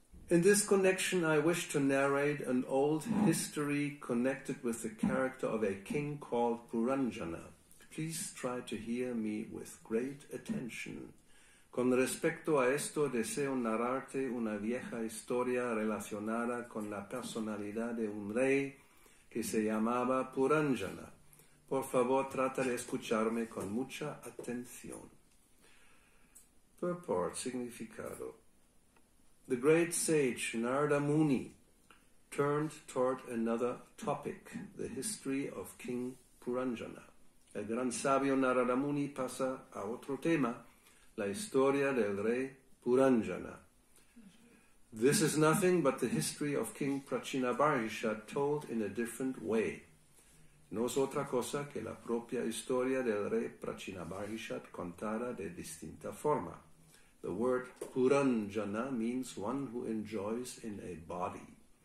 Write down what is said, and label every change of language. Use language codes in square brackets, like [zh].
[en] In this connection, I wish to narrate an old history connected with the character of a king called Puranjana. Please try to hear me with great attention. [es] Con respecto a esto, deseo narrarte una vieja historia relacionada con la personalidad de un rey que se llamaba Puranjana. Por favor, trata de escucharme con mucha atención. [en] Purport, significado. The great sage Narada Muni turned toward another topic, the history of King Puranjana. [es] El gran sabio Narada Muni pasa a otro tema, la historia del rey Puranjana. [en] This is nothing but the history of King Prachinabarisha told in a different way. [es] No es otra cosa que la propia historia del rey Prachinabarishat contada de distinta forma. [en] The word Puranjana means one who enjoys in a body.